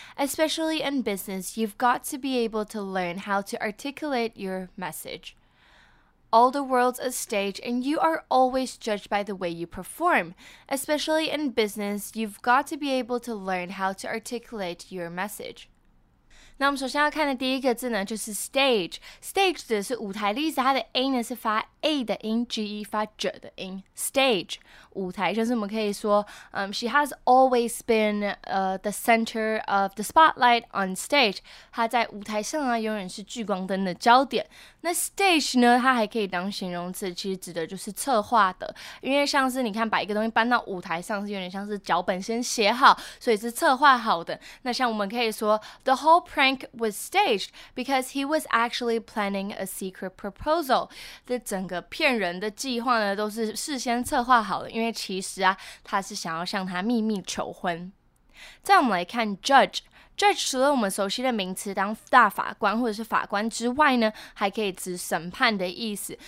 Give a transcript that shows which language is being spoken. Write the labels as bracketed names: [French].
[English] Especially in business, you've got to be able to learn how to articulate your message. All the world's a stage, and you are always judged by the way you perform. Especially in business, you've got to be able to learn how to articulate your message. [Chinese] 那我们首先要看的第一个字呢，就是 stage。stage 指的是舞台的意思，它的 a 呢是发 a 的音 ，g e 发 j 的音。 [English] stage [Chinese] 舞台，就是我们可以说， [English] she has always been the center of the spotlight on stage。 [Chinese] 她在舞台上啊，永远是聚光灯的焦点。那 stage 呢，它还可以当形容词，其实指的就是策划的，因为像是你看把一个东西搬到舞台上，是有点像是脚本先写好，所以是策划好的。那像我们可以说 [English] the whole prank was staged because he was actually planning a secret proposal. [Chinese] 这整个骗人的计划呢，都是事先策划好的，因为其实啊，他是想要向他秘密求婚。再我们来看 judge。Judge 除了我们熟悉的名词当大法官或者是法官之外呢，还可以指审判的意思。